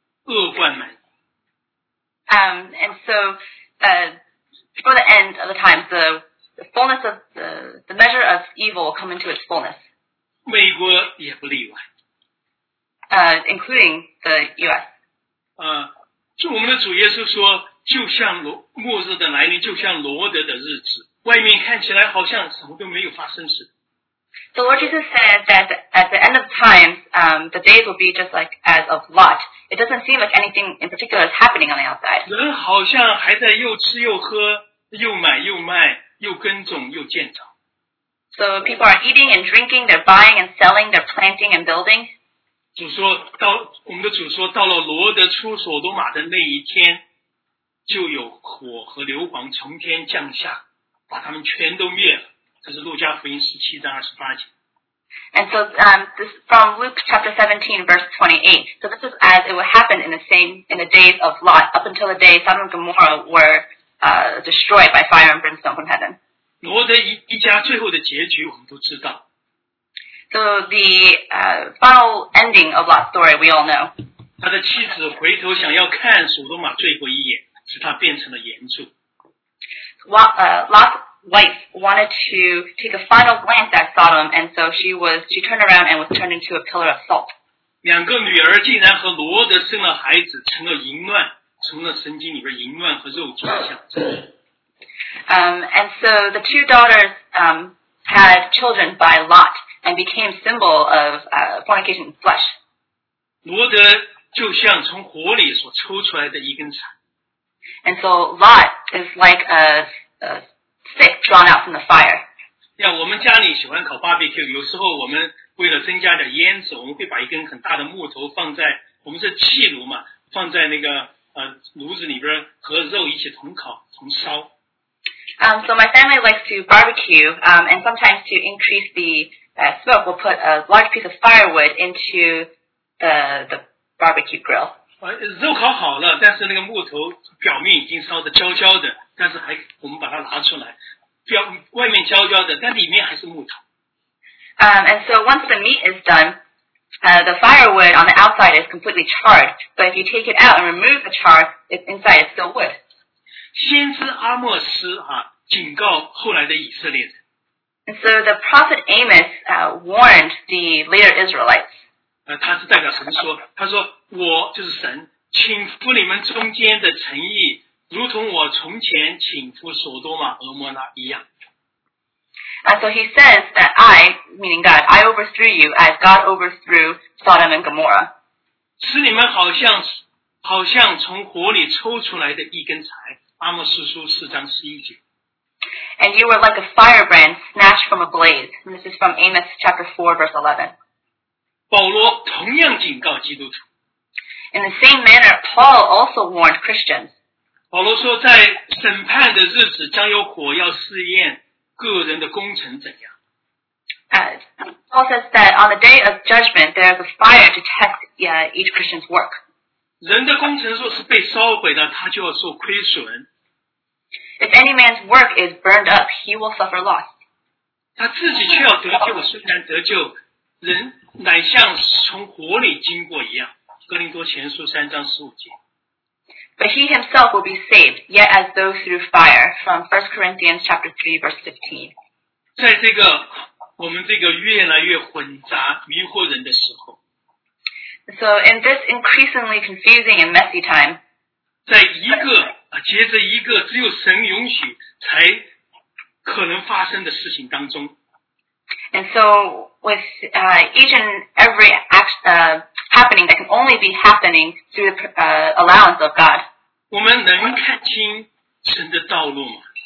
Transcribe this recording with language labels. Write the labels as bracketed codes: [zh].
[en] For the end of the times, the fullness of the measure of evil will come into its fullness. [zh] 美国也不例外。 [en] Including the U.S. [zh] 就我们的主耶稣说，就像末日的来临，就像罗德的日子，外面看起来好像什么都没有发生似的。 [en] The Lord Jesus said that at the end of time, the days will be just like as of Lot. It doesn't seem like anything in particular is happening on the outside. [zh] 人好像还在又吃又喝，又买又卖，又耕种又建造。 [en] So people are eating and drinking, they're buying and selling, they're planting and building. [zh] 主说到，我们的主说，到了罗德出索多玛的那一天，就有火和硫磺从天降下，把他们全都灭了。这是路加福音十七章二十八节。 [en] And so, this from Luke chapter 17, verse 28. So this is as it would happen in the days of Lot, up until the day Sodom and Gomorrah were destroyed by fire and brimstone from heaven. [zh] 罗德一家最后的结局我们都知道。 [en] So the final ending of Lot's story we all know. [zh] 他的妻子回头想要看索多玛最后一眼，使他变成了盐柱。 [en] Lot's wife wanted to take a final glance at Sodom, and so she turned around and was turned into a pillar of salt. [zh] 两个女儿竟然和罗德生了孩子，成了淫乱，成了圣经里边淫乱和肉体的象征。 [en] And so the two daughters had children by Lot and became symbol of fornication and flesh. [zh] 罗德就像从火里所抽出来的一根柴。 [en] And so Lot is like a stick drawn out from the fire. [zh] Yeah, 我们家里喜欢烤 barbecue. 有时候我们为了增加点烟子，我们会把一根很大的木头放在我们是气炉嘛，放在那个炉子里边和肉一起同烤同烧。 [en] So my family likes to barbecue. And sometimes to increase the smoke, we'll put a large piece of firewood into the barbecue grill. [zh] 肉烤好了，但是那个木头表面已经烧得焦焦的。但是还，我们把它拿出来，表外面焦焦的，但里面还是木头。 [en] And so once the meat is done, the firewood on the outside is completely charred. But if you take it out and remove the char, it's inside is still wood. [zh] 先知阿莫斯啊，警告后来的以色列人。 [en] And so the prophet Amos warned the later Israelites. [zh] 他是代表神说，他说我就是神，请夫你们中间的诚意。如同我从前请赴索多玛俄摩拉一样。 [en] So he says that I, meaning God, I overthrew you as God overthrew Sodom and Gomorrah. [zh] 使你们好像从火里抽出来的一根柴。阿莫斯书四章十一节。 [en] And you were like a firebrand snatched from a blaze. This is from Amos chapter 4 verse 11. [zh] 保罗同样警告基督徒。 [en] In the same manner, Paul also warned Christians. [zh] 保罗说在审判的日子将有火要试验个人的工程怎样。 [en] Paul says that on the day of judgment, there is a fire to test each Christian's work. [zh] 人的工程若是被烧毁了，他就要受亏损。 [en] If any man's work is burned up, he will suffer loss. [zh] 他自己却要得救，虽然得救，人乃像从火里经过一样。哥林多前书三章十五节。 [en] But he himself will be saved, yet as though through fire, from 1 Corinthians chapter 3, verse 15. [zh] 在这个我们这个越来越混杂迷惑人的时候。 [en] So in this increasingly confusing and messy time, [zh] 在一个接着一个只有神允许才可能发生的事情当中。 [en] And so with each and every happening that can only be happening through the allowance of God, [zh] 我们能看清神的道路吗？